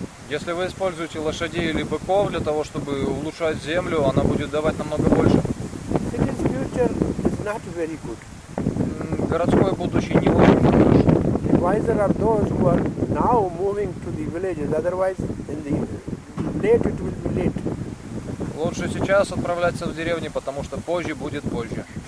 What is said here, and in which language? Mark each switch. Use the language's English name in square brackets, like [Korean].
[Russian] Если вы используете лошадей или быков для того, чтобы улучшать землю, она будет давать намного больше. [English] City's future is not very good. [Russian] Городское будущее не очень хорошо. [English] The wiser are those who are now moving to the villages, otherwise in the late it will be late. [Russian] Лучше сейчас отправляться в деревни, потому что позже будет позже.